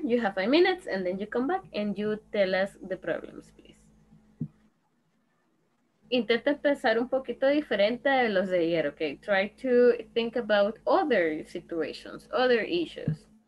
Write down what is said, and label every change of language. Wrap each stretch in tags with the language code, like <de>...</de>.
<en>You have 5 minutes and then you come back and you tell us the problems, please.</en> <es>Intenta empezar un poquito diferente de los de ayer, okay?</es> <en>Try to think about other situations, other issues.</en>